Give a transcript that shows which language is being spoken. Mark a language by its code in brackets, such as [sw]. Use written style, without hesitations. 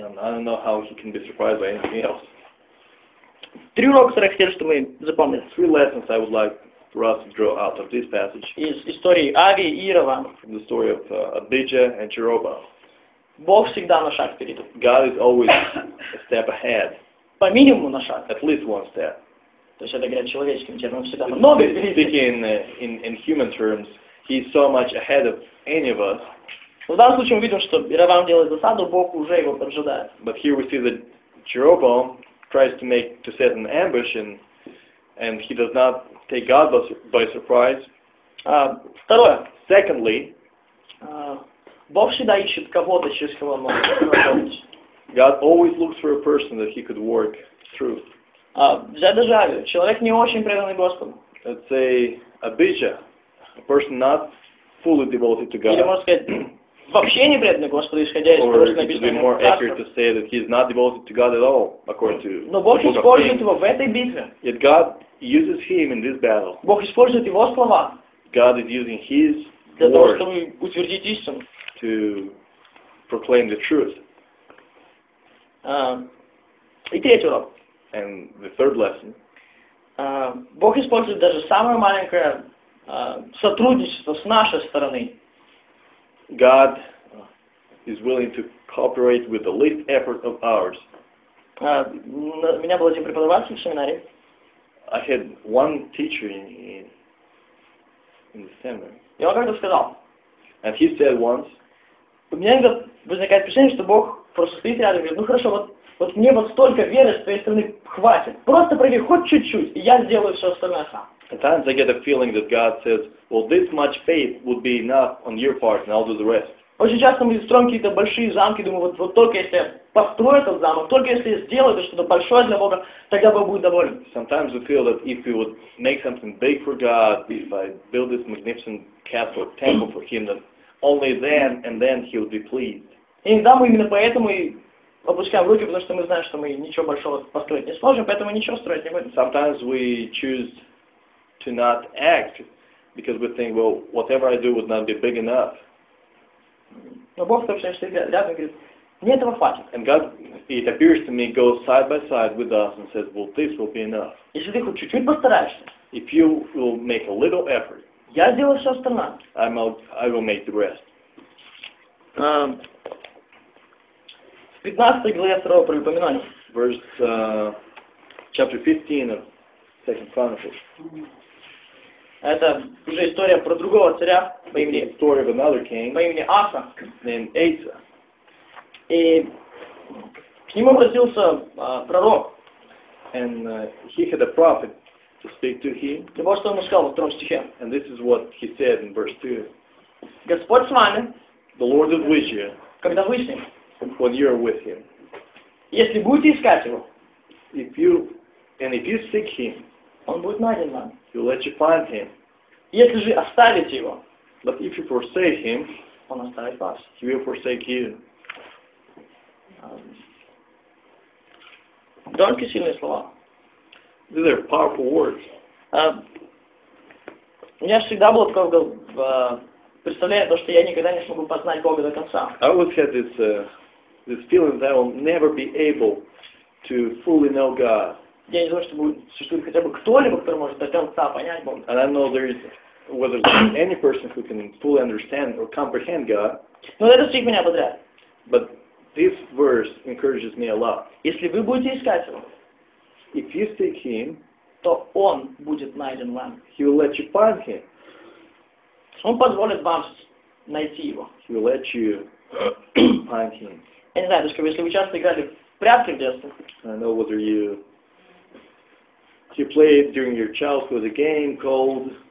[en] I don't know how he can be surprised by anything else. [ru] Три урока, которые хотел, что мы запомнили. [en] Three lessons I would like for us to draw out of this passage. [ru] Из истории Ави и Иеробоама. [en] From the story of Abijah and Jeroboam. [ru] Бог всегда на шаг вперед. [en] God is always a step ahead. [ru] По минимуму на шаг. [en] At least one step. [ru] То есть это говорят человеческим термином, всегда намного вперед. [en] Speaking in human terms, he's so much ahead of any of us. [ru] В данном случае мы видим, что Иеробоам делает засаду, Бог уже его поджидает. [en] But here we see that Jeroboam tries to make to set an ambush and he does not take God by surprise. [ru] Второе. [en] Secondly. [ru] Бог всегда ищет кого-то, через кого он может работать. [en] God always looks for a person that he could work through. [ru] Взять даже Авию. Человек не очень преданный Господу. [en] Let's say Abijah, a person not fully devoted to God. [ru] Или можно сказать, вообще не преданный Господу, исходя из того, что написано. [en] Or it would be more accurate to say that he's not devoted to God at all, according to. [ru] Но Бог использует его в этой битве. [en] Yet God uses him in this battle. [ru] Бог использует его слова. [en] God is using his words. [ru] Для того, чтобы утвердить истину. [en] To proclaim the truth. [ru] И третий урок. [en] And the third lesson. [ru] Бог использует даже самое маленькое сотрудничество с нашей стороны. [en] God is willing to cooperate with the least effort of ours. [ru] У меня был один преподаватель в семинаре. [en] I had one teacher in the seminary. [ru] И он как-то сказал. [en] And he said once. [ru] У меня иногда возникает впечатление, что Бог просто стоит рядом и говорит, ну хорошо, вот мне вот столько веры с твоей стороны хватит. Просто пройди хоть чуть-чуть, и я сделаю все остальное сам. [en] At times I get a feeling that God says, well, this much faith would be enough on your part, and I'll do the rest. [ru] Очень часто мы строим какие-то большие замки, думаю, вот только если я построю этот замок, только если я сделаю это что-то большое для Бога, тогда Бог будет доволен. [en] Sometimes we feel that if we would make something big for God, if I build this magnificent castle or temple for him, that only then, and then he'll be pleased. [ru] Иногда мы именно поэтому и опускаем руки, потому что мы знаем, что мы ничего большого построить не сможем, поэтому ничего строить не будем. [en] Sometimes we choose to not act, because we think, well, whatever I do would not be big enough. [ru] Но Бог, то, что рядом, говорит, мне этого хватит. [en] And God, it appears to me, goes side by side with us and says, well, this will be enough. [ru] Если ты хоть чуть-чуть постараешься. [en] If you will make a little effort. [ru] Я сделаю все остальное. [en] I will make the rest. [ru] В 15 главе 2 Паралипоменона. [en] Verse chapter 15 of Second Chronicles. [ru] Это уже история про другого царя по имени. [en] Story of another king. [ru] По имени Аса. [en] Named Asa. [ru] И к нему обратился пророк. [en] And he had a prophet. To speak to him. [ru] И вот что он сказал во втором стихе. [en] And this is what he said in verse 2. [ru] Господь с вами. [en] The Lord is with you. [ru] Когда вы с ним. [en] When you are with him. [ru] Если будете искать его. [en] If you seek him. [ru] Он будет найден вам. [en] He'll let you find him. [ru] Если же оставите его. [en] But if you forsake him. [ru] Он оставит вас. [en] He will forsake you. [ru] Довольно сильные слова. [en] These are powerful words. [ru] У меня всегда было такое представление, то, что я никогда не смогу познать Бога до конца. [en] I always had this feeling that I will never be able to fully know God. [ru] Я не знаю, чтобы существует хотя бы кто-либо, кто может до конца понять Бога. [en] And I know there is whether there is any person who can fully understand or comprehend God. [ru] Но это стих меня бодрит. [en] But this verse encourages me a lot. [ru] Если вы будете искать его, [en] if you seek him, [ru] то он будет найден вам. [en] He will let you find him. [ru] Он позволит вам найти его. [en] He will let you find him. [ru] Я не знаю, скажем, если вы часто играли в прятки в детстве. [en] I know whether you played during your childhood a game called